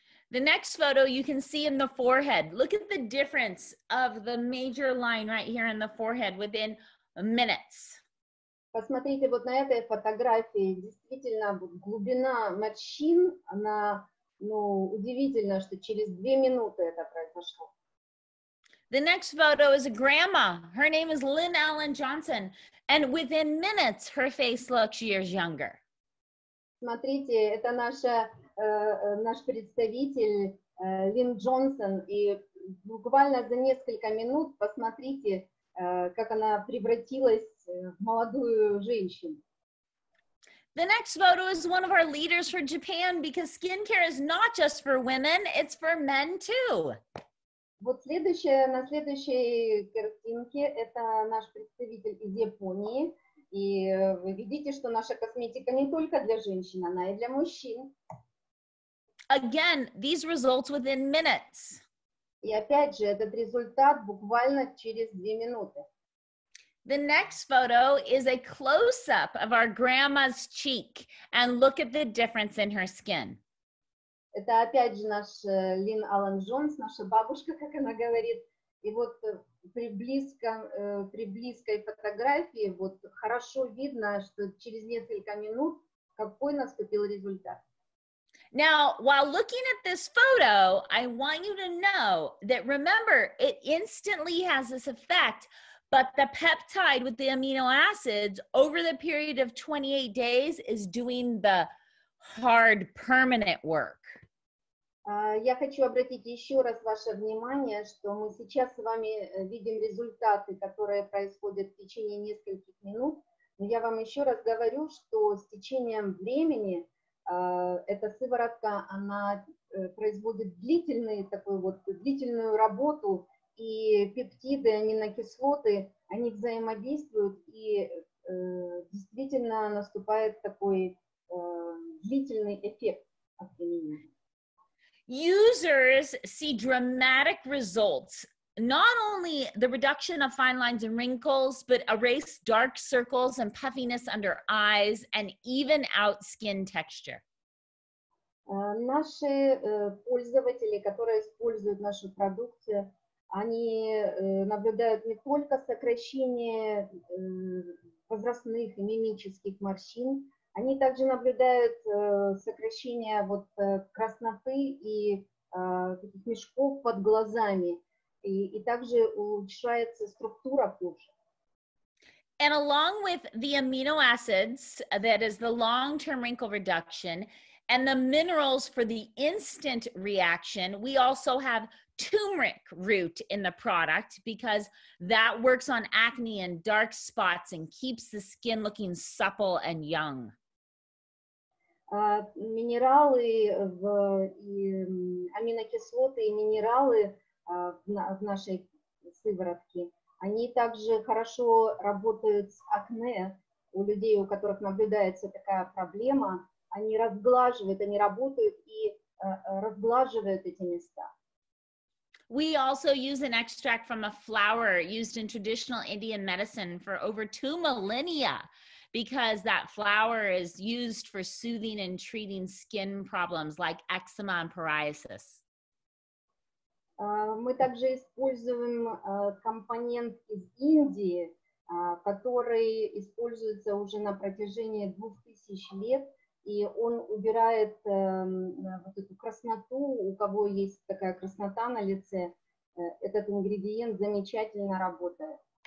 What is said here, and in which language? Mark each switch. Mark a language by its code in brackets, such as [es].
[en] The next photo you can see in the forehead. Look at the difference of the major line right here in the forehead within minutes. [ru] Посмотрите вот на этой фотографии, действительно глубина морщин, она, ну, удивительно, что через две минуты это произошло. [en] The next photo is a grandma. Her name is Lynn Allen Johnson. And within minutes, her face looks years younger. [ru] Смотрите, это наша, наш представитель Лин Джонсон. И буквально за несколько минут, посмотрите, как она превратилась в молодую женщину. [en] The next photo is one of our leaders for Japan, because skincare is not just for women, it's for men too. [ru] Вот следующая, на следующей картинке, это наш представитель из Японии. И вы видите, что наша косметика не только для женщин, она и для мужчин. [en] Again, these results within minutes. [ru] И опять же, этот результат буквально через две минуты. [en] The next photo is a close-up of our grandma's cheek. And look at the difference in her skin. [ru] Это опять же наш Лин Аллен Джонс, наша бабушка, как она говорит. И вот при близкой фотографии вот хорошо видно, что через несколько минут какой наступил результат. [en] Now, while looking at this photo, I want you to know that, remember, it instantly has this effect, but the peptide with the amino acids over the period of 28 days is doing the hard permanent work. [ru] Я хочу обратить еще раз ваше внимание, что мы сейчас с вами видим результаты, которые происходят в течение нескольких минут. Но я вам еще раз говорю, что с течением времени эта сыворотка, она производит длительный такой вот, длительную работу, и пептиды, аминокислоты, они взаимодействуют, и действительно наступает такой длительный эффект от применения. [en] Users see dramatic results, not only the reduction of fine lines and wrinkles, but erase dark circles and puffiness under eyes and even out skin texture. [ru] Наши пользователи, которые используют нашу продукцию, они наблюдают не только сокращение возрастных и мимических морщин, они также наблюдают сокращение вот красноты и таких мешков под глазами, и также улучшается структура кожи. [en] And along with the amino acids, that is the long-term wrinkle reduction, and the minerals for the instant reaction, we also have turmeric root in the product, because that works on acne and dark spots and keeps the skin looking supple and young. [ru] Минералы в, и аминокислоты и минералы в нашей сыворотке, они также хорошо работают с акне у людей, у которых наблюдается такая проблема, они разглаживают, они работают и разглаживают эти места. [en] We also use an extract from a flower used in traditional Indian medicine for over 2 millennia. Because that flower is used for soothing and treating skin problems like eczema and psoriasis. [ru] Мы также используем компонент из Индии, который используется уже на протяжении 2000 лет, и он убирает вот эту красноту, у кого есть такая краснота на лице, этот ингредиент замечательно работает.